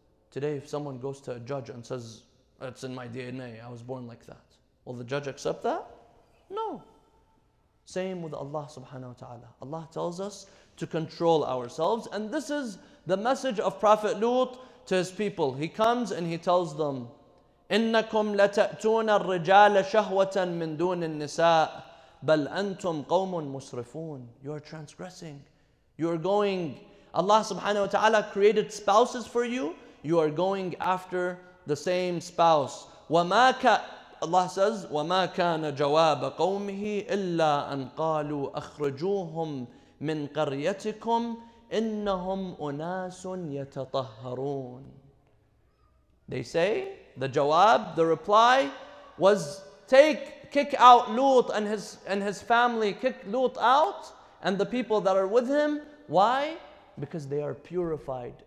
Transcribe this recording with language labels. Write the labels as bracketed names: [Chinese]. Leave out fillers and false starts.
[English] Today, if someone goes to a judge and says, it's in my DNA, I was born like that, will the judge accept that? No. Same with Allah subhanahu wa ta'ala. Allah tells us to control ourselves. And this is the message of Prophet Lut to his people. He comes and he tells them, [Arabic] إِنَّكُمْ لَتَأْتُونَ الرِّجَالَ شَهْوَةً مِنْ دُونِ النِّسَاءِ بَلْ أَنْتُمْ قَوْمٌ مُسْرِفُونَ. [English] You are transgressing. You are going, Allah subhanahu wa ta'ala created spouses for you. You are going after the same spouse. [Arabic] وَمَا كَ [English] Allah says, [Arabic] وَمَا كَانَ جَوَابَ قَوْمِهِ إِلَّا أَنْ قَالُوا أَخْرَجُوهُمْ مِنْ قَرْيَتِكُمْ إِنَّهُمْ أُنَاسٌ يَتَطَهَّرُونَ. [English] They say, the jawab, the reply was, kick out Lut and his family, kick Lut out and the people that are with him. Why? Because they are purified.